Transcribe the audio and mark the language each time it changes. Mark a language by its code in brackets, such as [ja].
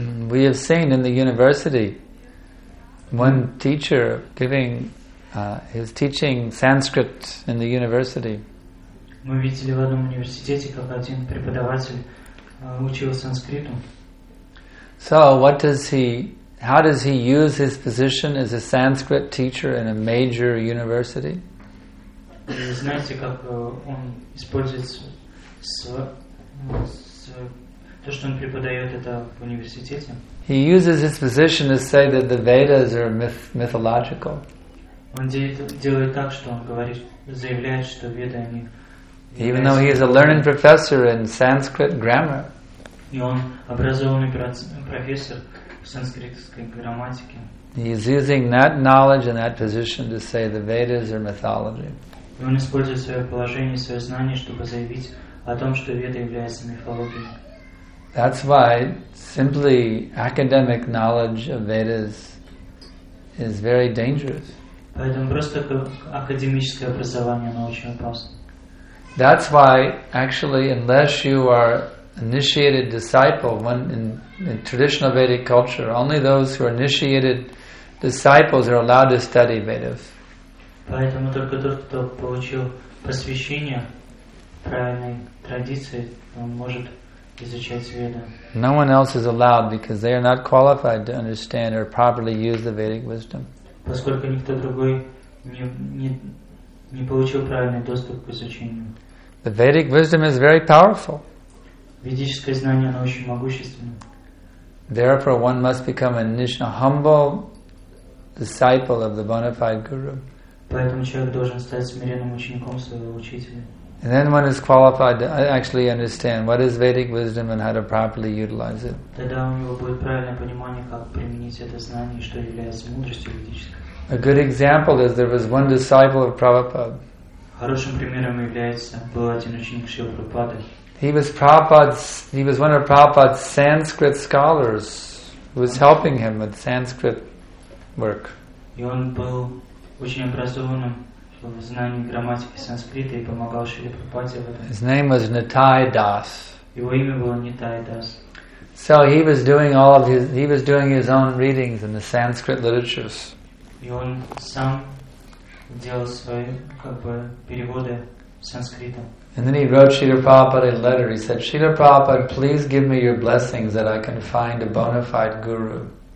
[en] We have seen in the university one teacher giving his teaching Sanskrit in the university. [ru] Мы видели в одном университете, как один преподаватель учил санскриту. [en] So, how does he use his position as a Sanskrit teacher in a major university? [ru] Знаете, как он использует то, что он преподает это в университете. [en] He uses his position to say that the Vedas are mythological. [ru] Он делает так, что он говорит, заявляет, что Веды они. [en] Even though he is a learned professor in Sanskrit grammar. [ru] И он образованный профессор в санскритской грамматике. [en] He is using that knowledge and that position to say the Vedas are mythology. [ru] И он использует свое положение, свое знание, чтобы заявить о том, что Веды являются мифологией. [en] That's why simply academic knowledge of Vedas is very dangerous. [ru] Поэтому просто академическое образование, оно очень опасно. [en] That's why, actually, unless you are initiated disciple, in traditional Vedic culture, only those who are initiated disciples are allowed to study Vedas. [ru] Поэтому только тот, кто получил посвящение, правильной традиции, он может изучать Веды. [en] No one else is allowed because they are not qualified to understand or properly use the Vedic wisdom. [ru] Поскольку никто другой не получил правильный доступ к изучению. [en] The Vedic wisdom is very powerful. [ru] Ведическое знание, оно очень могущественное. [en] Therefore, one must become a nishna, humble disciple of the bona fide guru. [ru] Поэтому человек должен стать смиренным учеником своего учителя. [en] And then one is qualified to actually understand what is Vedic wisdom and how to properly utilize it. [ru] Тогда у него будет правильное понимание, как применить это знание, что является мудростью ведической. [en] A good example is there was one disciple of Prabhupada. [ru] Хорошим примером является был один ученик Шрилы Прабхупады. [en] He was one of Prabhupada's Sanskrit scholars who was helping him with Sanskrit work. [ru] И он был очень образованным в знании грамматики санскрита и помогал Шриле Прабхупаде в этом. [en] His name was Nitai Das. [ru] Его имя было Nitai Das. [en] So he was doing his own readings in the Sanskrit literatures. [ru] И он сам делал свои переводы санскрита. [en] And then he wrote Srila Prabhupada a letter. He said, Srila Prabhupada, please give me your blessings that I can find a bona fide guru.